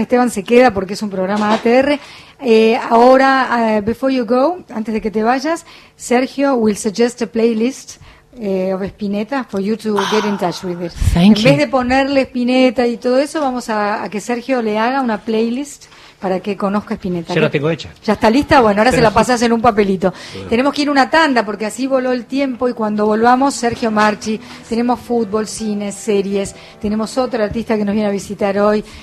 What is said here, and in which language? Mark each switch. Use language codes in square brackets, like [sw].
[es] Esteban se queda porque es un programa ATR. [en] Ahora, before you go, [es] antes de que te vayas, [en] Sergio will suggest a playlist of Spinetta for you to get in touch with it. Thank you. [es] En vez de ponerle Spinetta y todo eso, vamos a que Sergio le haga una playlist para que conozca Spinetta. Ya la tengo hecha. ¿Ya está lista? Bueno, ahora se la pasas en un papelito. Bueno. Tenemos que ir una tanda porque así voló el tiempo y cuando volvamos, Sergio Marchi, tenemos fútbol, cine, series, tenemos otro artista que nos viene a visitar hoy.